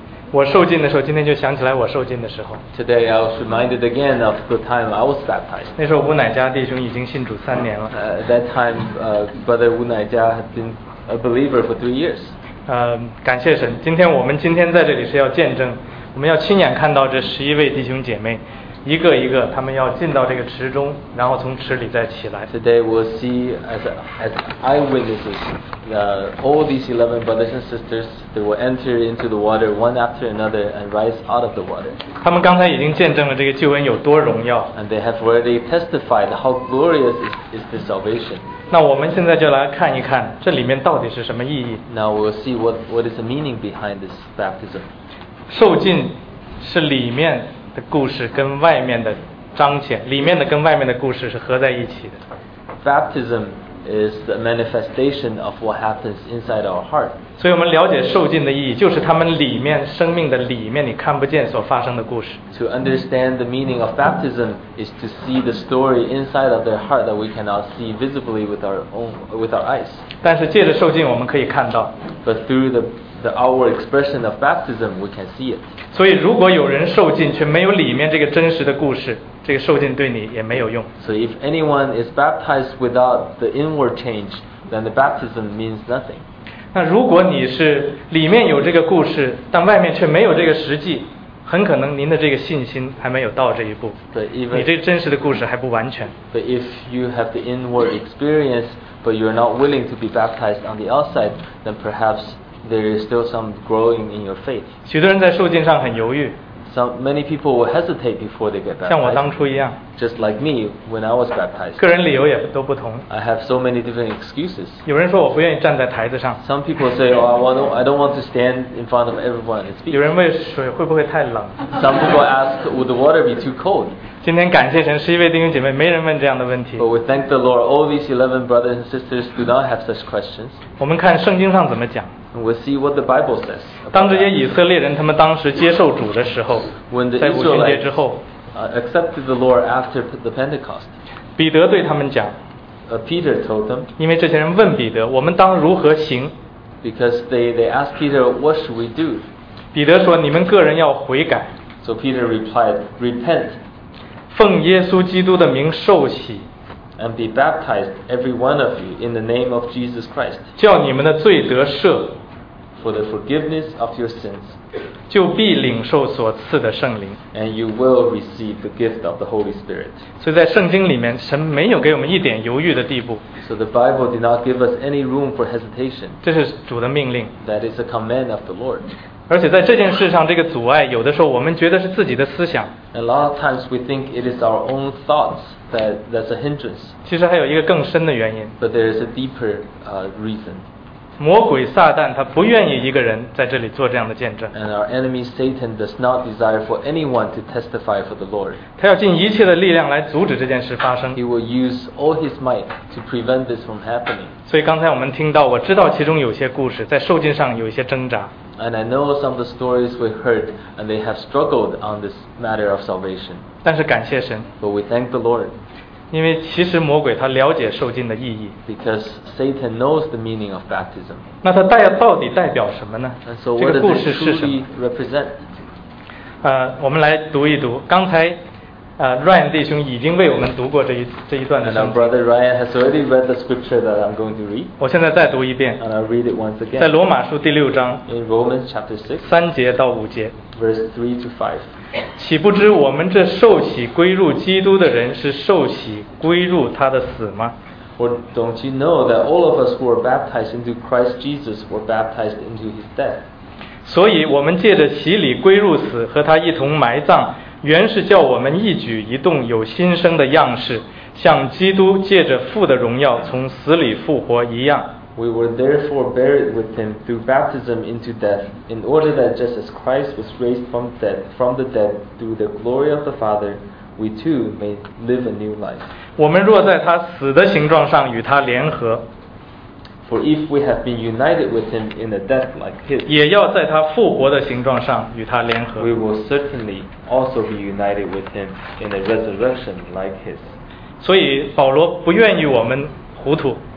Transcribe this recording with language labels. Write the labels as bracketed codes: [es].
[zh] 我受浸的时候，今天就想起来我受浸的时候。 [en] Today I was reminded again of the time I was baptized. [zh] 那时候吴乃嘉弟兄已经信主三年了。 [en] That time, Brother 吴乃嘉 had been a believer for 3 years. [zh] 感谢神，今天我们今天在这里是要见证，我们要亲眼看到这11位弟兄姐妹。一个一个他们要进到这个池中然后从池里再起来 [en] Today we'll see as eyewitnesses all these 11 brothers and sisters they will enter into the water one after another and rise out of the water [zh] 他们刚才已经见证了这个救恩有多荣耀 [en] And they have already testified how glorious is this salvation [zh] 那我们现在就来看一看这里面到底是什么意义 [en] Now we'll see what is the meaning behind this baptism [zh] 受浸是里面故事跟外面的彰显，里面的跟外面的故事是合在一起的。 [en] Baptism is the manifestation of what happens inside our heart. [zh] 所以我们了解受浸的意义，就是他们里面生命的里面你看不见所发生的故事。 [en] To understand the meaning of baptism is to see the story inside of their heart that we cannot see visibly with our eyes. [zh] 但是借着受浸我们可以看到。 [en] But through the outward expression of baptism, we can see it. [zh] 所以如果有人受浸却没有里面这个真实的故事，这个受浸对你也没有用。 [en] So if anyone is baptized without the inward change, then the baptism means nothing. [zh] 那如果你是里面有这个故事，但外面却没有这个实际，很可能您的这个信心还没有到这一步。你这个真实的故事还不完全。 [en] But if you have the inward experience, but you're not willing to be baptized on the outside, then perhaps There is still some growing in your faith. [zh] 许多人在受浸上很犹豫。 [en] Many people will hesitate before they get baptized. [zh] 像我当初一样。 [en] Just like me when I was baptized. [zh] 个人理由也都不同。 [en] I have so many different excuses. [zh] 有人说我不愿意站在台子上。 [en] Some people say, "Oh, I don't want to stand in front of everyone and speak." [zh] 有人问水会不会太冷。 [en] Some people ask, "Would the water be too cold?" [zh] 今天感谢神，11位弟兄姐妹没人问这样的问题。 [en] But we thank the Lord. All these 11 brothers and sisters do not have such questions. [zh] 我们看圣经上怎么讲。 [en] And we'll see what the Bible says. [zh] 当这些以色列人他们当时接受主的时候，在五旬节之后 [en] accepted the Lord after the Pentecost. [zh] 彼得对他们讲 [en] Peter told them. [zh] 因为这些人问彼得，我们当如何行 [en] ？Because they asked Peter, what should we do? [zh] 彼得说，你们个人要悔改。 [en] So Peter replied, repent. [zh] 奉耶稣基督的名受洗。 [en] And be baptized, every one of you, in the name of Jesus Christ. [zh] 叫你们的罪得赦 [en] For the forgiveness of your sins. [zh] 就必领受所赐的圣灵 [en] And you will receive the gift of the Holy Spirit. [zh] 所以在圣经里面，神没有给我们一点犹豫的地步 [en] So the Bible did not give us any room for hesitation. [zh] 这是主的命令 [en] That is a command of the Lord. [zh] 而且在这件事上，这个阻碍，有的时候我们觉得是自己的思想 [en] And a lot of times we think it is our own thoughts. That's a hindrance. [zh] 其实还有一个更深的原因。 [en] But there is a deeper reason. [zh] 魔鬼撒旦他不愿意一个人在这里做这样的见证。 [en] And our enemy Satan does not desire for anyone to testify for the Lord. [zh] 他要尽一切的力量来阻止这件事发生。 [en] He will use all his might to prevent this from happening. [zh] 所以刚才我们听到，我知道其中有些故事在受浸上有一些挣扎。 [en] And I know some of the stories we heard, and they have struggled on this matter of salvation. [zh] 但是感谢神。 [en] But we thank the Lord. [zh] 因为其实魔鬼他了解受浸的意义。 [en] Because Satan knows the meaning of baptism. [zh] 那他到底代表什么呢？ [en] And so what does it truly represent? [zh] 我们来读一读。刚才Ryan 弟兄已经为我们读过这一段的圣经。 [en] And our brother Ryan has already read the scripture that I'm going to read. [zh] 我现在再读一遍。 [en] And I'll read it once again. [zh] 在罗马书第六章。 [en] In Romans chapter 6. [zh] 三节到五节。 [en] Verse 3 to 5. [zh] 岂不知我们这受洗归入基督的人是受洗归入他的死吗？ [en] Or don't you know that all of us who were baptized into Christ Jesus were baptized into his death? [zh] 所以我们借着洗礼归入死，和他一同埋葬，原是叫我们一举一动有新生的样式，像基督借着父的荣耀从死里复活一样。 [en] We were therefore buried with him through baptism into death, in order that just as Christ was raised from the dead through the glory of the Father, we too may live a new life. [zh] 我们若在他死的形状上与他联合， [en] For if we have been united with him in a death like his, [zh] 也要在他复活的形状上与他联合， [en] We will certainly also be united with him in a resurrection like his. [zh] 所以保罗不愿意我们糊涂。